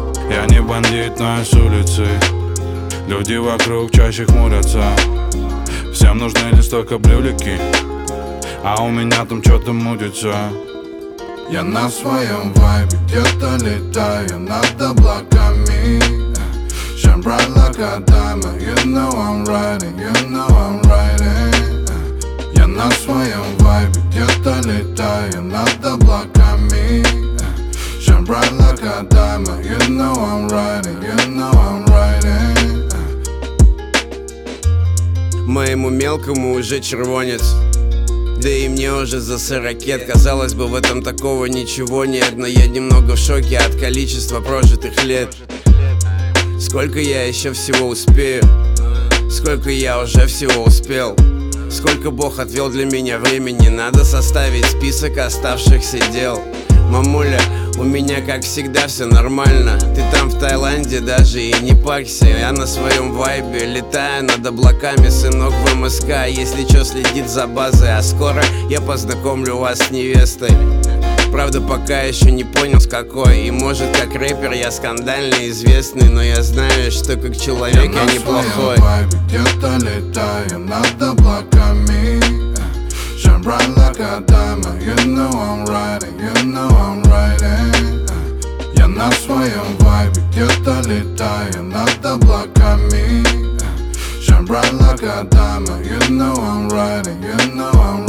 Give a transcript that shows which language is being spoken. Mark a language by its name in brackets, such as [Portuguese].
[Russian] Я не бандит, но я с улицы. Люди вокруг чаще хмурятся. Всем нужны лишь только брюлики, а у меня там что-то мутится. Я на своем вайбе где-то летаю над облаками. [English] Shine bright like a diamond. You know I'm riding, you know I'm riding. [Russian] Я на своем вайбе где-то летаю над облаками. [English] Shine bright like a diamond. You know I'm riding, you know I'm riding. [Russian] Моему мелкому уже червонец, да и мне уже за 40 лет. Казалось бы, в этом такого ничего нет, но я немного в шоке от количества прожитых лет. Сколько я еще всего успею? Сколько я уже всего успел? Сколько Бог отвел для меня времени? Надо составить список оставшихся дел. Мамуля, у меня как всегда все нормально. Ты там в Таиланде даже и не парься. Я на своем вайбе летаю над облаками. Сынок в МСК, если чё, следит за базой. А скоро я познакомлю вас с невестой. Правда, пока еще не понял, с какой. И может, как рэпер я скандально известный, но я знаю, что как человек я неплохой. Я на своем вайбе где-то летаю над облаками. [English] Shine bright like a diamond, you know I'm riding, you know I'm riding. [Russian] Я на своем вайбе где-то летаю над облаками. [English] Shine bright like a diamond, you know I'm riding, you know.